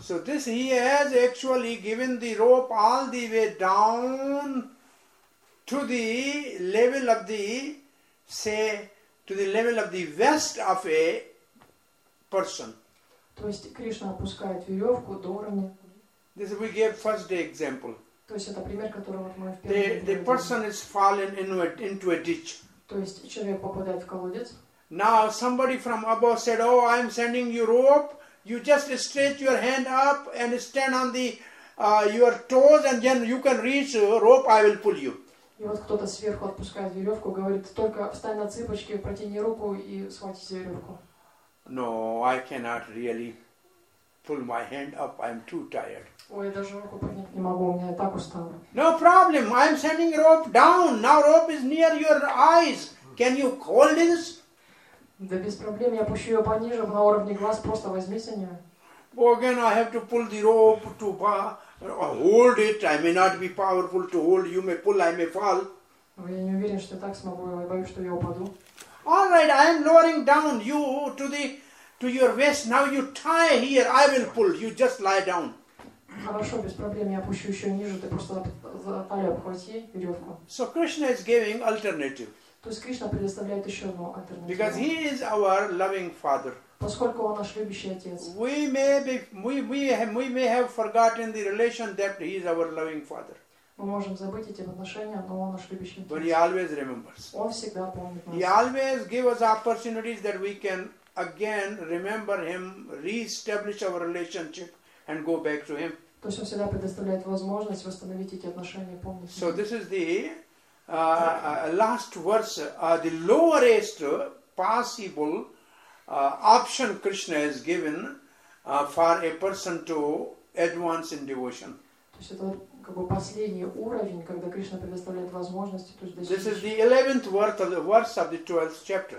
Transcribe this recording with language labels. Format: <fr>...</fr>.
<en>So this he has actually given the rope all the way down to the level of the, say, to the level of the waist of a person.</en> <ru>То есть Кришна опускает веревку до уровня.</ru> <en>This we gave first day example.</en> <ru>То есть это пример, который мы в первый день.</ru> <en>The person is fallen into a ditch.</en> <ru>То есть человек попадает в колодец.</ru> <en>Now somebody from above said, "Oh, I'm sending you rope. You just stretch your hand up and stand on the your toes, and then you can reach rope. I will pull you."</en> <ru>И вот кто-то сверху отпускает веревку, говорит: "Только встань на цыпочки, протяни руку и схвати за веревку."</ru> <en>No, I cannot really pull my hand up. I'm too tired.</en> <ru>Ой, даже руку поднять не могу, у меня так устало.</ru> <en>No problem, I'm sending rope down. Now rope is near your eyes. Can you hold this?</en> <ru>Да без проблем, я пущу ее пониже, на уровне глаз, просто возьми с нее.</ru> <en>Well, again, I have to pull the rope to hold it. I may not be powerful to hold. You may pull, I may fall.</en> <ru>Но я не уверен, что так смогу, я боюсь, что я упаду.</ru> <en>All right, I am lowering down you to your waist. Now you tie here, I will pull. You just lie down.</en> <ru>Хорошо, без проблем, я опущу еще ниже, ты просто за талию обхвати веревку.</ru> <en>So Krishna is giving alternative.</en> <ru>То есть Кришна предоставляет еще одну альтернативу.</ru> <en>Because he is our loving father.</en> <ru>Поскольку он наш любящий отец.</ru> <en>We may have forgotten the relation that he is our loving father.</en> <ru>Мы можем забыть эти отношения, но он наш любящий отец.</ru> <en>But he always remembers.</en> <ru>Он всегда помнит нас.</ru> <en>He always gives us opportunities that we can again remember him, re-establish our relationship. And go back to him.</en> <ru>То есть он всегда предоставляет возможность восстановить эти отношения, помнить.</ru> <en>So this is the last verse, the lowest possible option Krishna has given for a person to advance in devotion.</en> <ru>То есть это как бы последний уровень, когда Кришна предоставляет возможности, то есть достичь.</ru> <en>This is the 11th verse of the 12th chapter.</en>